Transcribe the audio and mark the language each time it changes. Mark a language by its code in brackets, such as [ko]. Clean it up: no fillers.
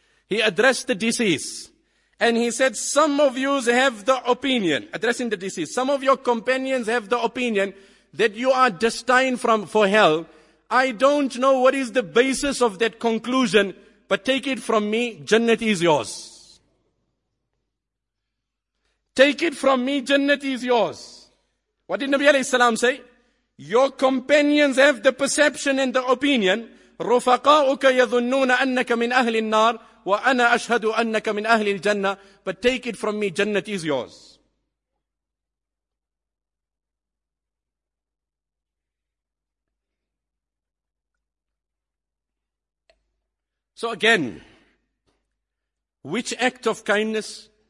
[en] He addressed the deceased and he said, some of you have the opinion, addressing the deceased, some of your companions have the opinion that you are destined for hell. I don't know what is the basis of that conclusion, but take it from me, Jannat is yours. Take it from me, Jannat is yours. What did Nabi alayhi salam say? Your companions have the perception and the opinion, [ar] رُفَقَاءُكَ يَظُنُّونَ أَنَّكَ مِنْ أَهْلِ النَّارِ وَأَنَا أَشْهَدُ أَنَّكَ مِنْ أَهْلِ الْجَنَّةِ. [en] But take it from me, Jannat is yours. So again, which act of kindness?